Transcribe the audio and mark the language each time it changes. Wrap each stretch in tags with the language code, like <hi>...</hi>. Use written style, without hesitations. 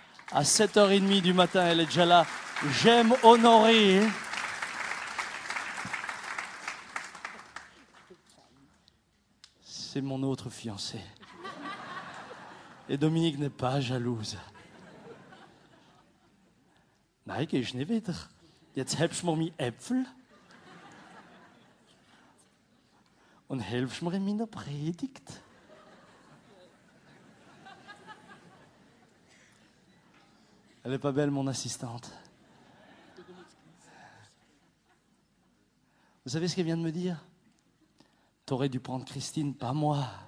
<fr>À 7h30 du matin, elle est déjà là. J'aime honorer. C'est mon autre fiancé. Et Dominique n'est pas jalouse.</fr> <de>Nein, gehe ich nicht wieder. Jetzt helfst du mir meine Äpfel und helfst mir in meiner Predigt.</de> <fr>Elle n'est pas belle, mon assistante. Vous savez ce qu'elle vient de me dire ? T'aurais dû prendre Christine, pas moi.</fr>